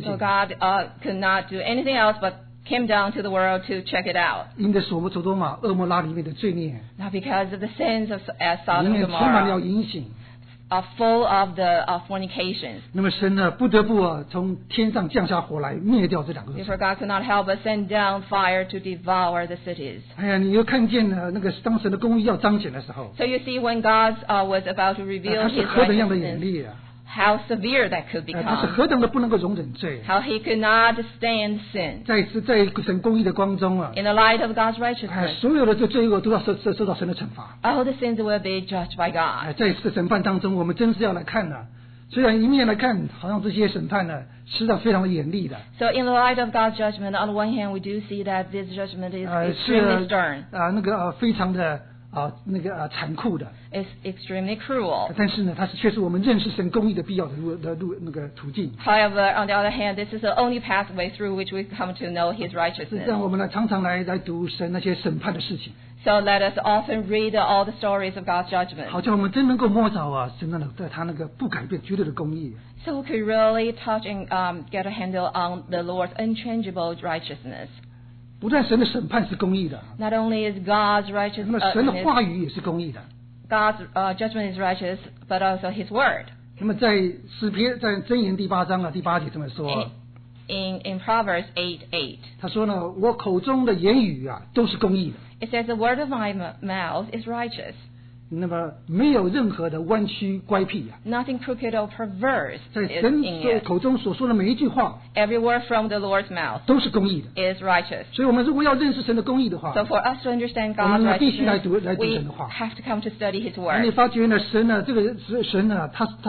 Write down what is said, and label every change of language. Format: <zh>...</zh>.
<en>So God could not do anything else but came down to the world to check it out.</en> <zh>因着索多玛、厄摩拉里面的罪孽。</zh> <en>Not because of the sins of Sodom and Gomorrah.</en> <zh>里面充满了淫行。</zh> <en>Full of the fornications.</en> <zh>那么神呢不得不从天上降下火来灭掉这两个。</zh> <en>Therefore God could not help but send down fire to devour the cities.</en> <zh>哎呀，你又看见了那个当时的公义要彰显的时候。</zh> <en>So you see when God was about to reveal His righteousness.</en> <zh>他是何等样的严厉啊！</zh> <en>How severe that could become.</en> <zh>他是何等的不能够容忍罪。</zh> <en>How he could not stand sin.</en> <zh>在神公义的光中啊。</zh> <en>In the light of God's righteousness.</en> <zh>所有的这罪恶都要受到神的惩罚。</zh> <en>All the sins will be judged by God.</en> <zh>在审判当中，我们真是要来看呢。虽然一面来看，好像这些审判呢，实际上非常的严厉的。</zh> <en>So in the light of God's judgment, on the one hand, we do see that this judgment is extremely stern.</en> <zh>那个非常的。那个残酷的</zh> <en>It's extremely cruel</en> <zh>但是呢它却是我们认识神公义的必要的那个途径</zh> <en>However, on the other hand this is the only pathway through which we come to know His righteousness</en> <zh>让我们常常来读神那些审判的事情</zh> <en>So let us often read all the stories of God's judgment</en> <zh>好像我们真能够摸着神那个不改变绝对的公义</zh> <en>So we could really touch and get a handle on the Lord's unchangeable righteousness</en> <zh>不但神的审判是公义的</zh> <en>Not only is God's righteous</en> <zh>那么神的话语也是公义的</zh> <en>God's judgment is righteous But also His word</en> <zh>那么在诗篇在箴言第八章第八节这么说</zh> <en>In Proverbs 8:8</en> <zh>他说呢我口中的言语都是公义的</zh> <en>It says the word of my mouth is righteous</en> <zh>那么没有任何的弯曲乖僻</zh> <en>Nothing crooked or perverse</en> <zh>在神口中所说的每一句话</zh> <en>Every word from the Lord's mouth</en> <zh>都是公义的</zh> <en>Is righteous</en> <zh>所以我们如果要认识神的公义的话</zh> <en>So for us to understand God's righteousness</en> <zh>我们必须来读神的话</zh> <en>We have to come to study His word</en> <zh>你发觉呢神呢这个神呢他</zh>